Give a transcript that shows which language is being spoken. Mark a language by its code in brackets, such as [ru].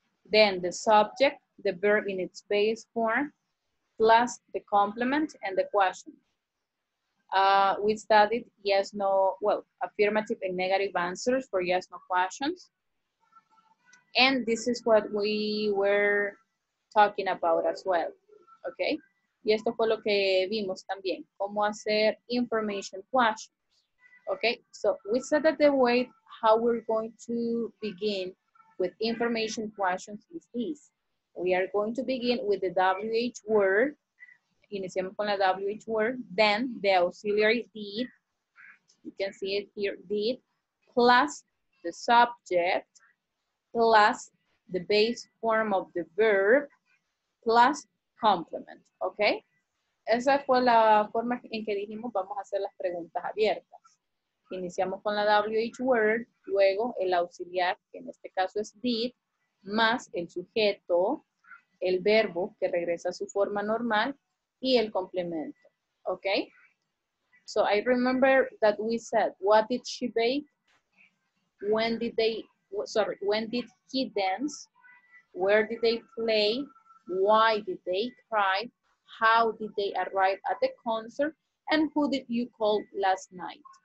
[en] then the subject, the verb in its base form, plus the complement and the question. We studied yes, no, well, affirmative and negative answers for yes, no questions. And this is what we were talking about as well, okay? [es] Y esto fue lo que vimos también, cómo hacer information questions, okay? [en] So we said that the way how we're going to begin with information questions is this. We are going to begin with the WH word. [es] Iniciamos con la [en] WH word, then the auxiliary did. You can see it here, did, plus the subject, plus the base form of the verb, plus complement, okay? [es] Esa fue la forma en que dijimos vamos a hacer las preguntas abiertas. Iniciamos con la WH word, luego el auxiliar, que en este caso es did, más el sujeto, el verbo, que regresa a su forma normal, y el complemento, okay? [en] So I remember that we said, what did she bake? When did they, sorry, when did he dance? Where did they play? Why did they cry? How did they arrive at the concert? And who did you call last night?